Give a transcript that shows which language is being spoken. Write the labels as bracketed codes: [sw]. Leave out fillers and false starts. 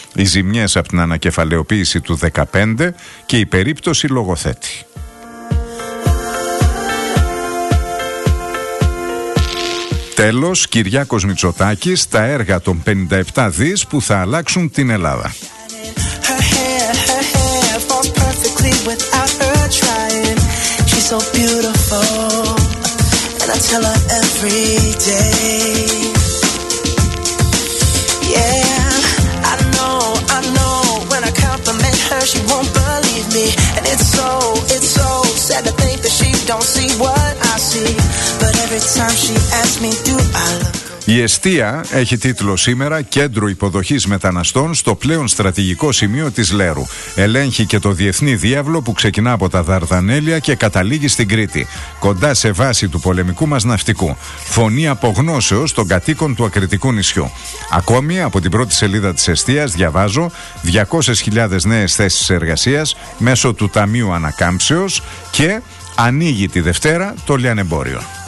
[el] Οι ζημιές από την ανακεφαλαιοποίηση του 15 και η περίπτωση λογοθέτη. Τέλος, Κυριάκος Μητσοτάκης, τα έργα των 57 δις που θα αλλάξουν την Ελλάδα. [en] Without her trying, she's so beautiful, and I tell her every day. Yeah, I know, when I compliment her, she won't believe me. And it's so sad to think that she don't see what I see. But every time she asks me, do I look? [el] Η Εστία έχει τίτλο σήμερα «Κέντρο υποδοχής μεταναστών στο πλέον στρατηγικό σημείο της Λέρου». Ελέγχει και το διεθνή διάβλο που ξεκινά από τα Δαρδανέλια και καταλήγει στην Κρήτη, κοντά σε βάση του πολεμικού μας ναυτικού. Φωνή απογνώσεως των κατοίκων του ακριτικού νησιού. Ακόμη, από την πρώτη σελίδα της Εστίας διαβάζω 200.000 νέες θέσεις εργασίας μέσω του Ταμείου Ανακάμψεως και ανοίγει τη Δευτέρα το λιανεμπόριο.